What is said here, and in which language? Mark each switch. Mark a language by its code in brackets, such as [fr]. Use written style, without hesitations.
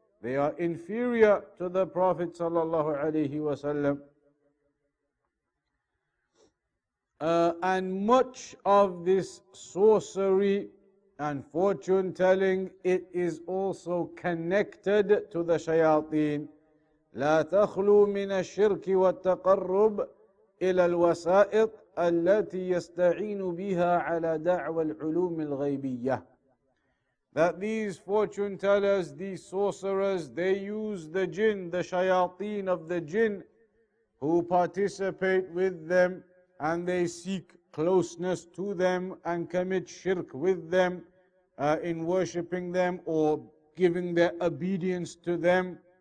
[en] They are inferior to the Prophet sallallahu alayhi wa sallam. And much of this sorcery and fortune telling, it is also connected to the shayateen. [ar] لا تخلو من الشرك والتقرب إلى الوسائط التي يستعين بها على دعوة العلوم الغيبية. [en] That these fortune tellers, these sorcerers, they use the jinn, the shayateen of the jinn, who participate with them and they seek closeness to them and commit shirk with them in worshipping them or giving their obedience to them.